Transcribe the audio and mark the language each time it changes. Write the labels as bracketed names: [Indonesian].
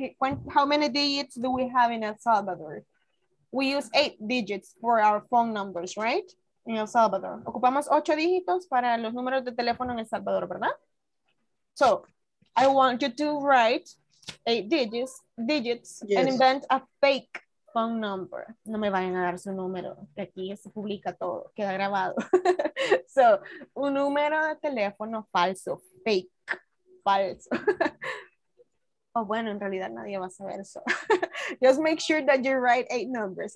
[English] How many digits do we have in El Salvador? We use 8 digits for our phone numbers, right? In El Salvador. [Spanish] Ocupamos 8 dígitos para los números de teléfono en El Salvador, ¿verdad? [English] So, I want you to write 8 digits yes. And invent a fake phone number. [Spanish] No me vayan a dar su número, que aquí se publica todo, queda grabado. So, un número de teléfono falso, fake, falso. Oh, bueno, en realidad nadie va a saber eso. [English] Just make sure that you write 8 numbers.